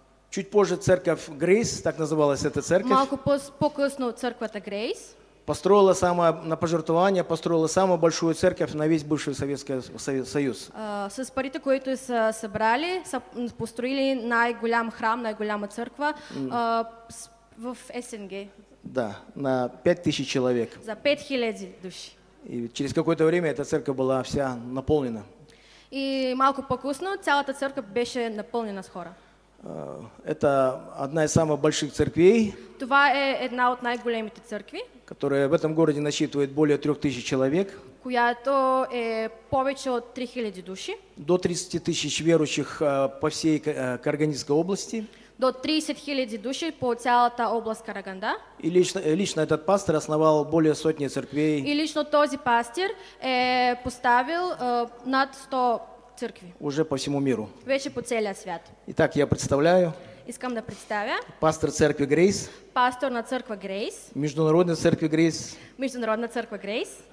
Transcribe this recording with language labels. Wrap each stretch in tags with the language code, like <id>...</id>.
<ru>Чуть позже церковь Грейс, так называлась эта церковь.</ru> <bg>Малко по-късно църквата Грейс.</bg> <ru>Построила самое на пожертвование, построила самую большую церковь на весь бывший Советский Союз.</ru> <bg>С парите, които са събрали, са построили най-голям храм, най-голяма църква в СНГ.</bg> <ru>Да, на 5000 человек.</ru> <bg>За 5000 души.</bg> <ru>И через какое-то время эта церковь была вся наполнена.</ru> <bg>И малко по-късно цялата църква беше наполнена с хора.</bg> <ru>Это одна из самых больших церквей.</ru> <bg>Това е една от най-големите църкви,</bg> <ru>которая в этом городе насчитывает более 3000 человек.</ru> <bg>Която е повече от 3000 души.</bg> <ru>До 30 тысяч верующих по всей Карагандинской области.</ru> <bg>До 30 000 души по цялата област Караганда.</bg> <ru>И лично этот пастор основал более сотни церквей.</ru> <bg>И лично този пастир е поставил над 100 църкви.</bg> <ru>Уже по всему миру.</ru> <bg>Вече по целия свят.</bg> <ru>Итак, я представляю.</ru> <bg>Искам да представя.</bg> <ru>Пастор церкви Грейс.</ru> <bg>Пастор на църква Грейс. Международна църква Грейс. Международна църква Грейс.</bg>